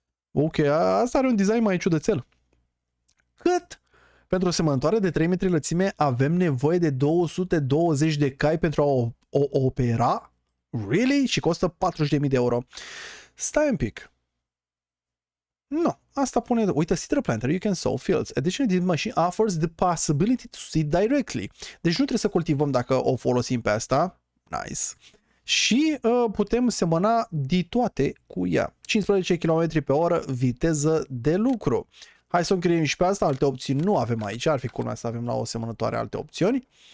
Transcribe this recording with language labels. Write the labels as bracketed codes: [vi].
[ro] Ok, asta are un design mai ciudățel. Cât? Pentru o semănătoare de 3 metri lățime avem nevoie de 220 de cai pentru a o opera? Really? Și costă 40.000 de euro. Stai un pic. [en] No, [ro] asta pune, uite, [en] seed planter, you can sow fields. Additionally, this machine offers the possibility to seed directly. [ro] Deci nu trebuie să cultivăm dacă o folosim pe asta. Nice. Și putem semăna de toate cu ea. 15 km pe oră, viteză de lucru. Hai să încredim și pe asta, alte opțiuni nu avem aici, ar fi culmea să avem la o semănătoare alte opțiuni.